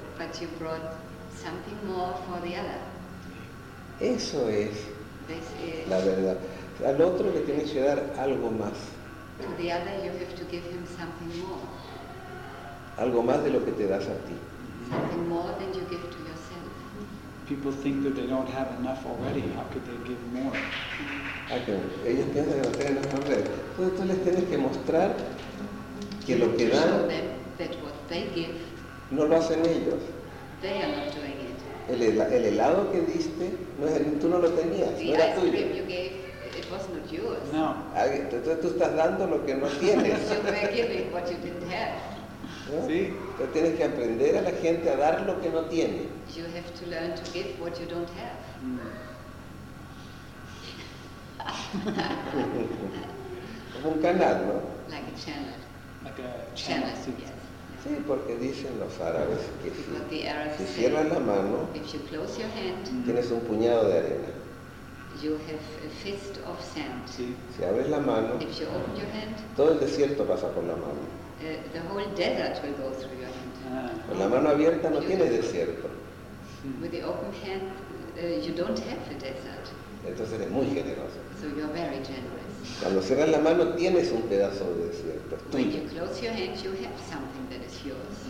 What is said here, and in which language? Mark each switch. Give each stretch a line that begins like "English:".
English: But you brought something more for the other.
Spanish: Eso es.
English: This is
Spanish: la verdad. Al otro le tienes que dar algo más.
English: To the other you have to give him something more.
Spanish: Algo más de lo que te das a ti.
English: Something more than you give to yourself. People think that they don't have enough already. How could they give more?
Spanish: Okay. Ellos piensan que no tienen
English: enough already.
Spanish: Entonces tú les tienes que mostrar que lo que dan,
English: that what they give,
Spanish: no lo hacen ellos.
English: They are not doing it.
Spanish: El helado que diste, no es, tú no lo tenías,
English: the
Spanish: no era tuyo.
English: You gave, it was not yours.
Spanish: No. Entonces tú estás dando lo que no tienes.
English: You were giving what you didn't have.
Spanish: ¿Sí? Entonces tienes que aprender a la gente a dar lo que no tiene.
English: You have to learn to give what you don't have.
Spanish: Como un canal, ¿no?
English: Like a channel. Like a channel, yes.
Spanish: Sí, porque dicen los árabes que si,
English: the Arabs
Spanish: si cierras
English: say,
Spanish: la mano,
English: if you close your hand,
Spanish: tienes un puñado de arena.
English: You have a fist of sand.
Spanish: Sí. Si abres la mano,
English: if you open your hand,
Spanish: todo el desierto pasa por la mano.
English: The whole desert will go through your hand.
Spanish: Con la mano abierta no tiene desierto.
English: With the open hand, you don't have a desert.
Spanish: Entonces eres muy generoso.
English: So you're very generous.
Spanish: Cuando cierras la mano tienes un pedazo de desierto.
English: When you close your hand, you have something that is yours.